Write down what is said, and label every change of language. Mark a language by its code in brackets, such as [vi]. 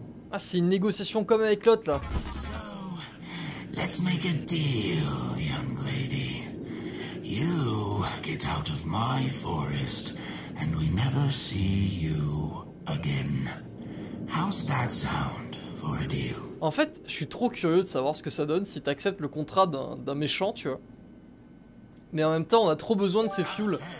[fr] Ah, c'est une négociation comme avec l'autre là. [en] So, let's make a deal, young lady. You get out of my forest and we never see you again. How's that sound for a deal? [fr] En fait, je suis trop curieux de savoir ce que ça donne si t'acceptes le contrat d'un méchant, tu vois. Mais en même temps, on a trop besoin de ces fuels.